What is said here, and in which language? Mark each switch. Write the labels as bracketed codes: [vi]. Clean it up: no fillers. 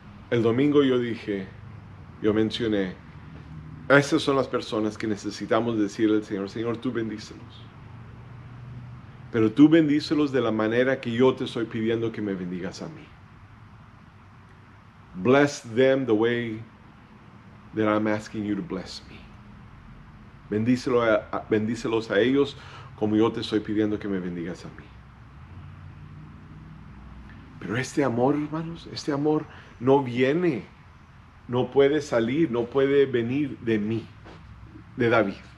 [es] El domingo yo dije, yo mencioné, esas son las personas que necesitamos decirle al Señor, Señor, tú bendícelos. Pero tú bendícelos de la manera que yo te estoy pidiendo que me bendigas a mí. [en] Bless them the way that I'm asking you to bless me. [es] Bendícelos a ellos como yo te estoy pidiendo que me bendigas a mí. Pero este amor, hermanos, este amor no viene, no puede salir, no puede venir de mí, de David.